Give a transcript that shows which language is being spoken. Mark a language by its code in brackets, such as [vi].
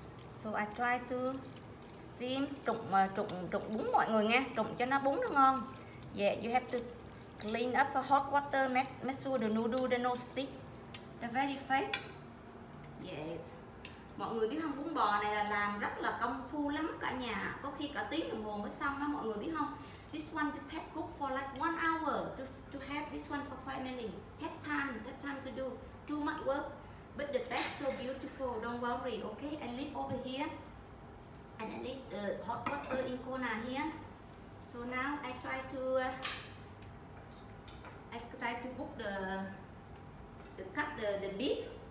[en] So I try to steam, [vi] trụng bún mọi người nghe, trụng cho nó bún nó ngon. [en] Yeah, you have to clean up for hot water, make sure the noodle the no stick. Very fast. Yes. [vi] Mọi người biết không, bún bò này là làm rất là công phu lắm cả nhà. Có khi cả tiếng đồng hồ mới xong đó mọi người biết không. [en] This one to take cook for like 1 hour to have this one for family. Take time to do too much work. But the taste so beautiful, don't worry. Okay, I leave over here. And I leave the hot water in corner here. So now I try to book the cut the beef.